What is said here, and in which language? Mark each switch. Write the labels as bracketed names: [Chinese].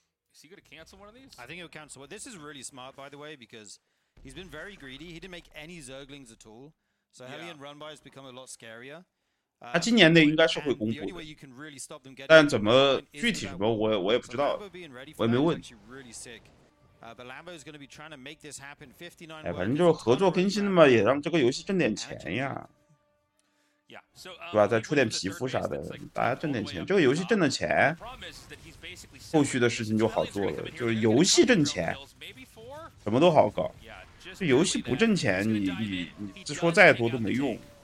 [English] Is he going to cancel one of these? I think he'll cancel one. This is really smart, by the way, because he's been very greedy. He didn't make any Zerglings at all. So Hellion run by has become a lot scarier. [Chinese] 他今年内应该是会公布的。但怎么具体什么我也不知道。我也没问。 [English] But Lambo is going to be trying to make this happen. 59. [Chinese] 哎，反正就合作更新嘛，也让这个游戏挣点钱呀。对吧，再出点皮肤啥的，大家挣点钱，这个游戏挣的钱后续的事情就好做了，就是游戏挣钱什么都好搞，这游戏不挣钱你说再多都没用。